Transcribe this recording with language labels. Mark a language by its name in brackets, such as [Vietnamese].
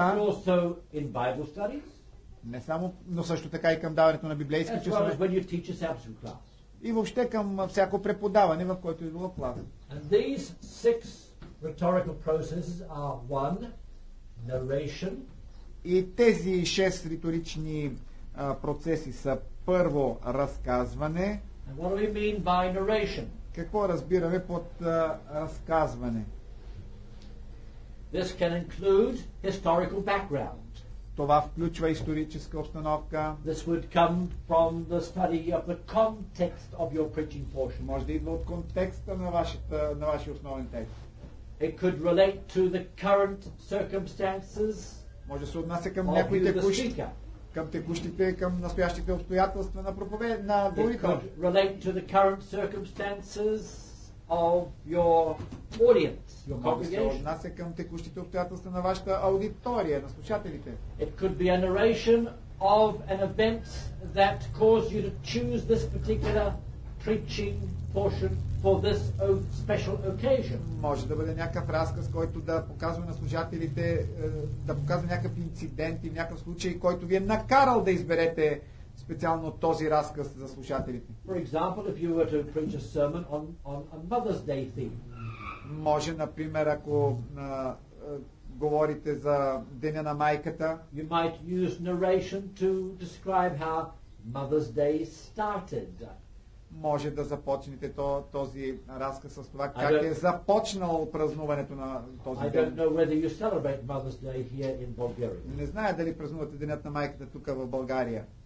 [English] but also in Bible studies, [Bulgarian] не само, но също така и към даването на библейски часове, [English] as well as when you teach a Sabbath class, [Bulgarian] и въобще към всяко преподаване, в което е било клас. [English] And these six rhetorical processes are one, narration, [Bulgarian] и тези шест риторични процеси са първо разказване. [English] And what do we mean by narration? [Bulgarian] Какво разбираме под разказване? [English] This can include historical background. [Bulgarian] Това включва историческа обстановка. [English] This would come from the study of the context of your preaching portion. [Bulgarian] Може да идва от контекста на вашия основен текст. [English] It could relate to the current circumstances. [Bulgarian] Може да се отнася към някои текущи. Към текущите, към настоящите обстоятелства на проповед, на говорител. [English] Relate to the current circumstances of your audience, your congregation. [Bulgarian] Може да се отнася към текущите обстоятелства на вашата аудитория, на слушателите. [English] It could be a narration of an event that caused you to choose this particular preaching portion for this special occasion. [Bulgarian] Може да бъде някакъв разказ, който да показва на служателите, да показва някакъв инцидент и някакъв случай, който ви е накарал да изберете специално този разказ за служателите. [English] For example, if you were to preach a sermon on a Mother's Day theme. [Bulgarian] Може, например, ако говорите за Деня на майката, [English] you might use narration to describe how Mother's Day started. [Bulgarian] Може да започнете този разказ с това как е започнало празнуването на този ден. [English] I don't know whether you celebrate Mother's Day here in Bulgaria. [Bulgarian] Не зная дали празнувате Денят на майката тук в България.